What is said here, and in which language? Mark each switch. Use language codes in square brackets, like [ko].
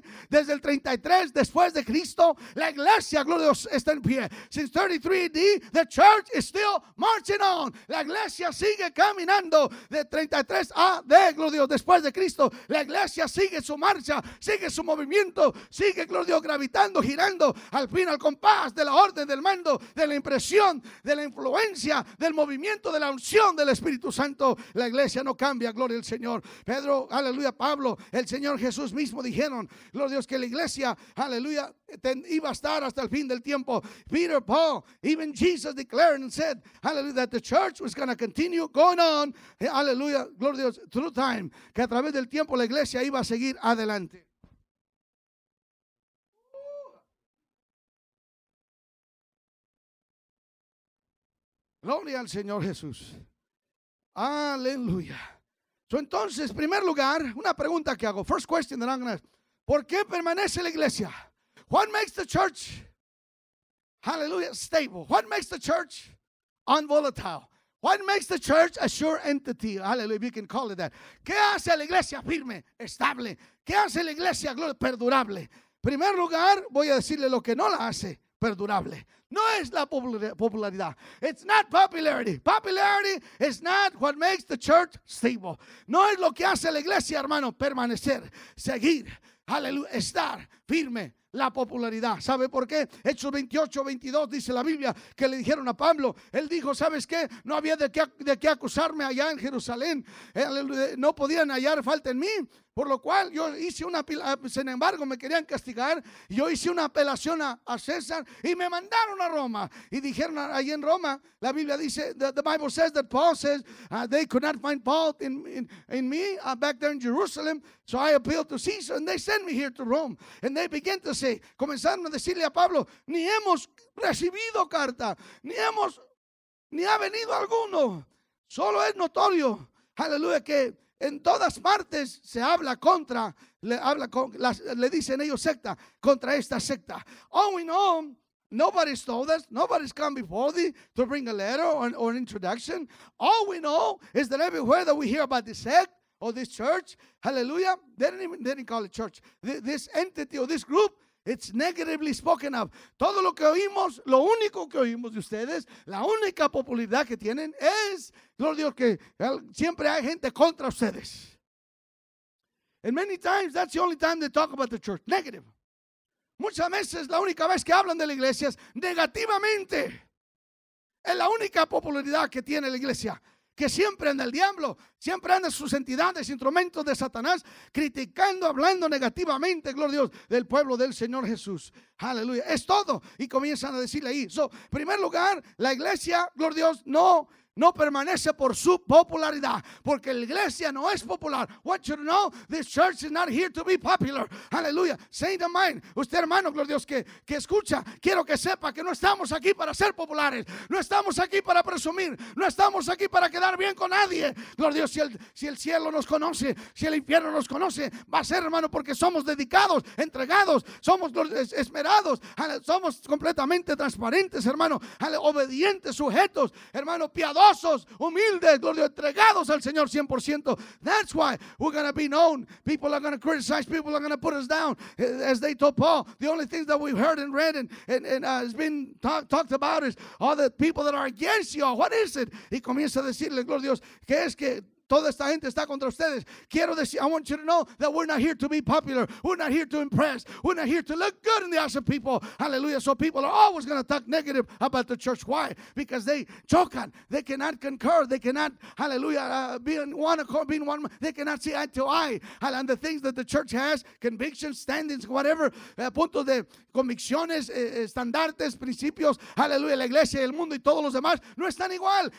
[es] desde el 33, después de Cristo, la iglesia, gloria a Dios, está en pie, [en] since 33 AD, the church is still marching on, [es] la iglesia sigue caminando, de 33 AD, gloria a Dios, después de Cristo, la iglesia sigue su marcha, sigue su movimiento, sigue, gloria a Dios, gravitando, girando al fin, al compás de la orden, del mando, de la impresión, de la influencia, del movimiento, de la unción del Espíritu Santo. La iglesia no cambia, gloria al Señor. Pedro, aleluya, Pablo, el Señor Jesús mismo dijeron, gloria a Dios, que la iglesia, aleluya, iba a estar hasta el fin del tiempo. [en] Peter, Paul, even Jesus declared and said, hallelujah, that the church was going to continue going on, hallelujah, [es] gloria a Dios, [en] through time. [es] Que a través del tiempo la iglesia iba a seguir adelante. Gloria al Señor Jesús. Aleluya. So, entonces, en primer lugar, una pregunta que hago. [en] First question that I'm going to ask. [es] ¿Por qué permanece la iglesia? [en] What makes the church, hallelujah, stable? What makes the church unvolatile? What makes the church a sure entity? [es] Hallelujah, [en] we can call it that. [es] ¿Qué hace a la iglesia firme, estable? ¿Qué hace a la iglesia perdurable? En primer lugar, voy a decirle lo que no la hace perdurable. No es la popularidad. [en] It's not popularity. Popularity is not what makes the church stable. [es] No es lo que hace a la iglesia, hermano, permanecer, seguir, hallelujah, estar firme. La popularidad, ¿sabe por qué? Hechos 28, 22 dice la Biblia que le dijeron a Pablo, él dijo, ¿sabes qué? No había de qué acusarme allá en Jerusalén, no podían hallar falta en mí, por lo cual yo hice una, sin embargo me querían castigar, yo hice una apelación a César y me mandaron a Roma y dijeron ahí en Roma, la Biblia dice, [en] the Bible says that Paul says they could not find fault in me back there in Jerusalem. So I appealed to Caesar and they sent me here to Rome. And they began to say, [es] comenzaron a decirle a Pablo, ni hemos recibido carta, ni ha venido alguno. Solo es notorio, aleluya, que en todas partes se habla contra, le dicen ellos secta, contra esta secta. [en] All we know, nobody's told us, nobody's come before thee to bring a letter or an introduction. All we know is that everywhere that we hear about the sect, or this church, hallelujah, they didn't call it church. This entity or this group, it's negatively spoken of. [es] Todo lo que oímos, lo único que oímos de ustedes, la única popularidad que tienen es, Lord Dios, que siempre hay gente contra ustedes. [en] And many times, that's the only time they talk about the church, negative. [es] Muchas veces, la única vez que hablan de la iglesia es negativamente. Es la única popularidad que tiene la iglesia. Que siempre anda el diablo, siempre anda sus entidades, instrumentos de Satanás, criticando, hablando negativamente, gloria a Dios, del pueblo del Señor Jesús. Aleluya. Es todo. Y comienzan a decirle ahí. So, en primer lugar, la iglesia, gloria a Dios, no permanece por su popularidad, porque la iglesia no es popular. [en] What you know, this church is not here to be popular. Hallelujah. Saint of mine, [es] usted hermano, gloria a Dios, que escucha, quiero que sepa que no estamos aquí para ser populares, no estamos aquí para presumir, no estamos aquí para quedar bien con nadie. Gloria a Dios, si el cielo nos conoce, si el infierno nos conoce, va a ser, hermano, porque somos dedicados, entregados, somos esmerados, somos completamente transparentes, hermano, obedientes, sujetos, hermano, piadosos, humildes, gloria, entregados al Señor 100%. [en] That's why we're going to be known. People are going to criticize. People are going to put us down. As they told Paul, the only things that we've heard and read and has been talked about is all the people that are against you. What is it? [es] Y comienza a decirle, gloria a Dios, que es que toda esta gente está contra ustedes. Quiero decir, [en] I want you to know that we're not here to be popular. We're not here to impress. We're not here to look good in the eyes of people. Hallelujah. So people are always going to talk negative about the church. Why? Because they chocan. They cannot concur. They cannot, hallelujah, be in one accord, be in one. They cannot see eye to eye. And the things that the church has, convictions, standings, whatever, [es] puntos de convicciones, estandartes, principios, hallelujah, la iglesia, el mundo y todos los demás, no están igual.